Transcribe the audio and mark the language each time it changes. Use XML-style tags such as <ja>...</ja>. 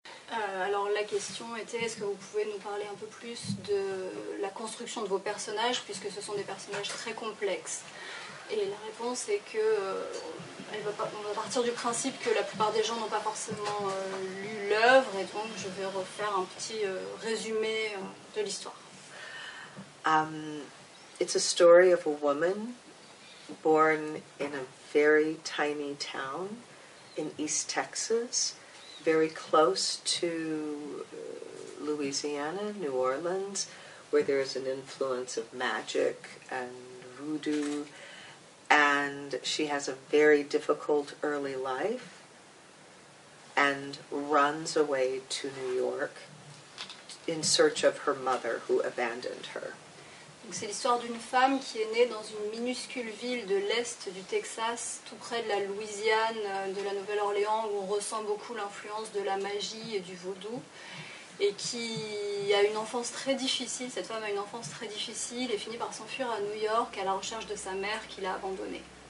<fr>Alors la question était, est-ce que vous pouvez nous parler un peu plus de la construction de vos personnages, puisque ce sont des personnages très complexes. Et la réponse est que, on va partir du principe que la plupart des gens n'ont pas forcément lu l'œuvre, et donc je vais refaire un petit résumé de l'histoire.</fr> <en>It's a story of a woman born in a very tiny town in East Texas, very close to Louisiana, New Orleans, where there is an influence of magic and voodoo. And she has a very difficult early life and runs away to New York in search of her mother who abandoned her.</en> <fr>Donc c'est l'histoire d'une femme qui est née dans une minuscule ville de l'est du Texas, tout près de la Louisiane, de la Nouvelle-Orléans, où on ressent beaucoup l'influence de la magie et du vaudou, et qui a une enfance très difficile, cette femme a une enfance très difficile, et finit par s'enfuir à New York à la recherche de sa mère qui l'a abandonnée.</fr>